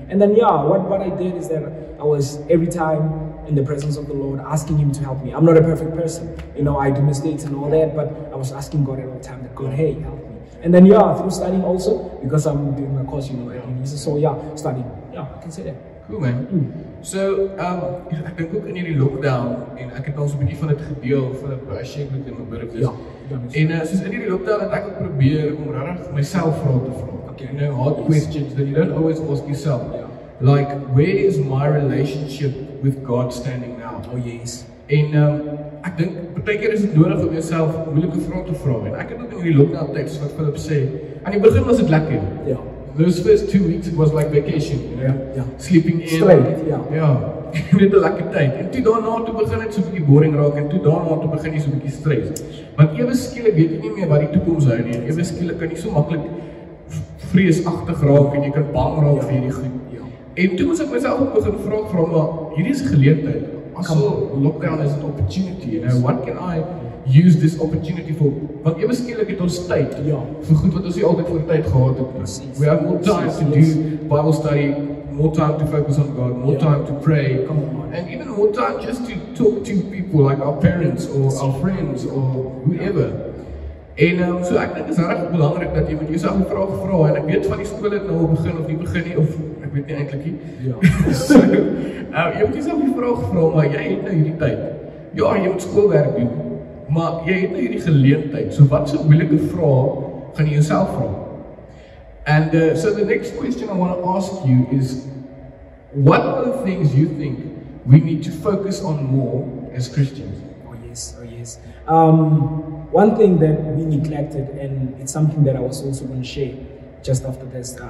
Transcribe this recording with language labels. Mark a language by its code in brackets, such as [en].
[en] And then, yeah, what I did is that I was every time in the presence of the Lord, asking Him to help me. I'm not a perfect person, you know, I do mistakes and all that, but I was asking God at all time that, God, hey, help me. And then, yeah, through studying also, because I'm doing my course, you know, at uni, so yeah, studying. Yeah, I can say that. Cool. Cool man. [af] So, ek dink ook in hierdie lockdown, en ek het al so 'n bietjie van dit gedeel, van 'n brushing met my burger. Ja. En soos in hierdie lockdown het ek ook probeer om regtig myself vrae te vra. [en] Okay, you know, hard questions that you don't always ask yourself. Yeah. Like, where is my relationship with God standing now? Oh yes. [af] En ek dink partykeer is dit nodig om jouself moeilike vrae te vra. En ek het ook in hierdie lockdown tyd, wat Philip sê, aan die begin was dit lekker. Ja. [en] Those first 2 weeks it was like vacation, you know? Sleeping in. Straight, yeah. Yeah. [af] Net 'n lekker tyd. En toe daarna toe begin dit so 'n bietjie boring raak en toe daarna toe begin jy so 'n bietjie stres. Want ewe skielik weet jy nie meer wat die toekoms hou nie. Ewe skielik kan jy so maklik vreesagtig raak en jy kan bang raak vir hierdie goed. Ja. En toe moet ek myself ook begin vra maar hierdie is 'n geleentheid. [en] Also, lockdown is an opportunity, you know. What can I use this opportunity for? [af] Want ewe skielik het ons tyd, ja, vir goed wat ons nie altyd voor tyd gehad het. Precies. [en] We have more time to do Bible study, more time to focus on God, more time to pray, come on, and even more time just to talk to people like our parents or our friends or whoever. [af] En so ek dink is regtig belangrik dat jy met jouself vra en ek weet van die skole het nou al begin of nie begin nie of ek weet nie eintlik nie. Ja. Jy moet jouself die vraag vra maar jy het nou hierdie tyd. Ja, jy moet skoolwerk doen. Maar jy het nou hierdie geleentheid. So wat sou moeilike vrae gaan jy jouself vra? [en] And so the next question I want to ask you is what are the things you think we need to focus on more as Christians? Oh yes, oh yes. One thing that we neglected, and it's something that I was also going to share just after this.